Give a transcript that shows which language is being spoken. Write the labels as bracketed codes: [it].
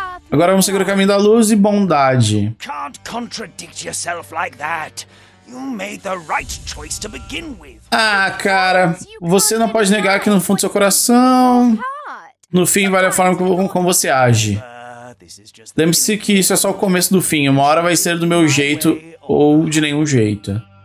[pt] Agora vamos seguir o caminho da luz e bondade. [en] Can't contradict yourself like that. You made the right choice to begin with. [pt] Ah, cara, você não pode negar que no fundo do seu coração, no fim, vale a forma como você age. Lembre-se que isso é só o começo do fim. Uma hora vai ser do meu jeito ou de nenhum jeito.